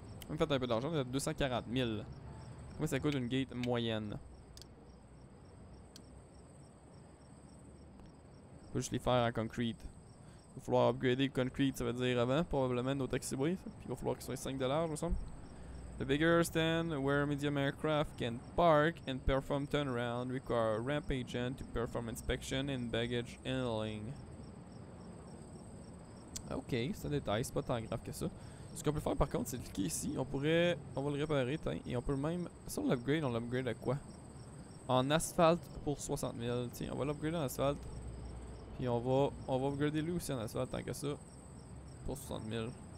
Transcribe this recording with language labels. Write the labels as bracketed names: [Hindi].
[French] On fait un peu d'argent. On est à 240 000. Comment ça coûte une gate moyenne? On peut juste les faire en concrete. Il va falloir upgrader le concrete, ça veut dire avant, probablement, nos taxiways. Puis il va falloir qu'ils soient 5$, je me semble. [English] The bigger stand where medium aircraft can park and perform turnaround require a ramp agent to perform inspection and baggage handling. [French] Ok, c'est un détail, c'est pas tant grave que ça. Ce qu'on peut faire par contre, c'est cliquer ici. On va le réparer, tiens. Et on peut même. Si on l'upgrade, à quoi? En asphalte pour 60 000. Tiens, on va l'upgrader en asphalte. Et on va upgrader lui aussi en asphalte tant que ça. Pour 60 000.